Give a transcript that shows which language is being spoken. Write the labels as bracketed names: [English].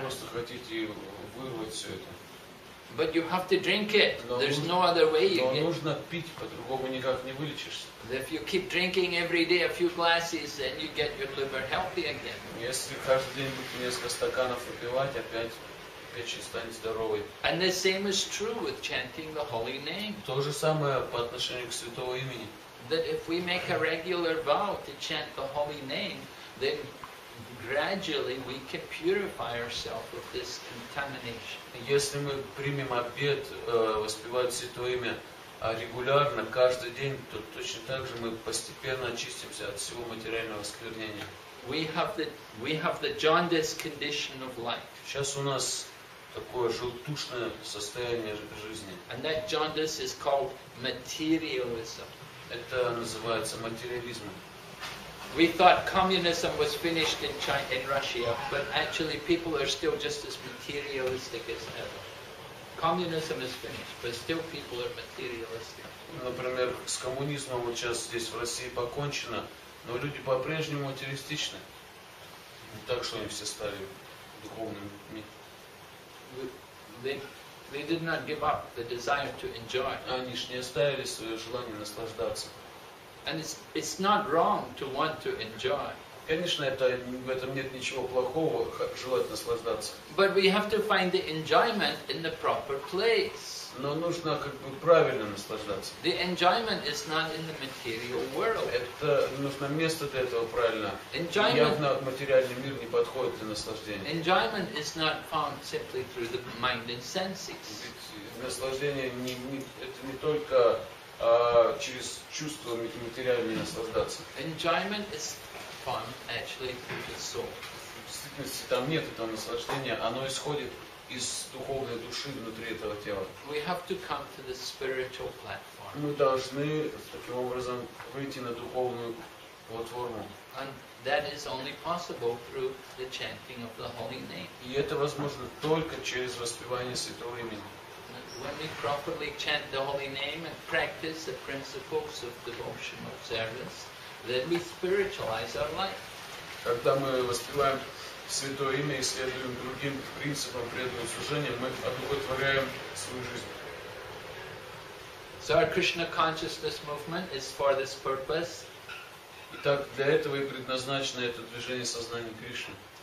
[Russian] Просто хотите вырвать все это. [English] But you have to drink it. There's no other way. [Russian] Но нужно пить, по-другому никак не вылечишься. [English] If you keep drinking every day a few glasses, then you get your liver healthy again. [Russian] Если каждый день будете несколько стаканов выпивать, опять печень станет здоровой. [English] And the same is true with chanting the holy name. [Russian] То же самое по отношению к святому имени. [English] That if we make a regular vow to chant the holy name, then gradually we can purify ourselves of this contamination. [Russian] Если мы примем обет воспевать святое имя регулярно каждый день, то точно так же мы постепенно очистимся от всего материального осквернения. [English] We have the jaundice condition of life. [Russian] Сейчас у нас такое желтушное состояние жизни. [English] And that jaundice is called materialism. [Russian] Это называется материализмом. [English] We thought communism was finished in China, in Russia, but actually people are still just as materialistic as ever. Communism is finished, but still people are materialistic. [Russian] Например, с коммунизмом вот сейчас здесь в России покончено, но люди по-прежнему материалистичны. Не так, что они все стали духовными. [English] They did not give up the desire to enjoy. [Russian] Они ж не оставили свое желание наслаждаться. [English] And it's not wrong to want to enjoy. [Russian] Конечно, это, в этом нет ничего плохого, желать наслаждаться. [English] But we have to find the enjoyment in the proper place. [Russian] Но нужно как бы правильно наслаждаться. [English] The enjoyment is not in the material world. [Russian] Это нужно место для этого правильно. Явно материальный мир не подходит для наслаждения. [English] Enjoyment is not found simply through the mind and senses. [Russian] Наслаждение не это не только через чувства материальные наслаждаться. [English] Enjoyment is found actually through the soul. [Russian] В действительности там нет этого наслаждения, оно исходит из духовной души внутри этого тела. [English] We have to come to the spiritual platform. [Russian] Мы должны таким образом выйти на духовную платформу. [English] And that is only possible through the chanting of the holy name. [Russian] И это возможно только через воспевание святого имени. [English] When we properly chant the holy name and practice the principles of devotional service, then we spiritualize our life. [Russian] Когда мы воспеваем Святое имя и следуем другим принципам преданного служения, мы одухотворяем свою жизнь. [English] So our Krishna consciousness movement is for this purpose. [Russian] Итак, для этого и предназначено это движение сознания Кришны.